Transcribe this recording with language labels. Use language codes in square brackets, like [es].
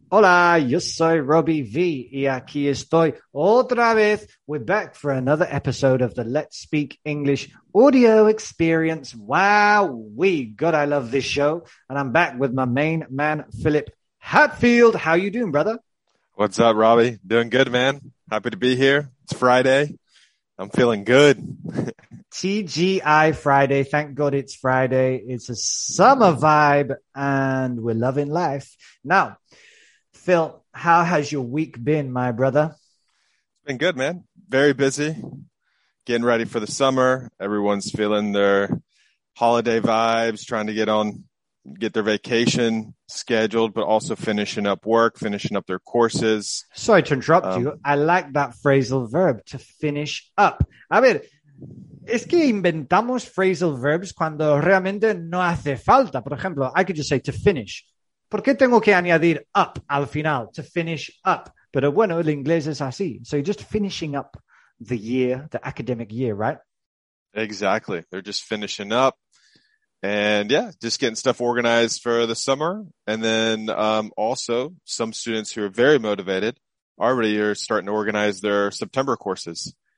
[es] Hola, yo soy Robbie V, y aquí estoy otra vez. [en] We're back for another episode of the Let's Speak English audio experience. Wow, we, God, I love this show. And I'm back with my main man, Philip Hatfield. How you doing, brother? What's up, Robbie? Doing good, man. Happy to be here. It's Friday. I'm feeling good. TGI Friday. Thank God it's Friday. It's a summer vibe and we're loving life. Now, Phil, how has your week been, my brother? It's been good, man. Very busy. Getting ready for the summer. Everyone's feeling their holiday vibes, trying to get their vacation scheduled, but also finishing up work, finishing up their courses. Sorry to interrupt you. I like that phrasal verb, to finish up. [es] A ver, es que inventamos phrasal verbs cuando realmente no hace falta. Por ejemplo, [en] I could just say to finish. [es] ¿Por qué tengo que añadir up al final? [en] To finish up. [es] Pero bueno, el inglés es así. [en] So you're just finishing up the year, the academic year, right? Exactly. They're just finishing up. And yeah, just getting stuff organized for the summer. And then also some students who are very motivated already are starting to organize their September courses.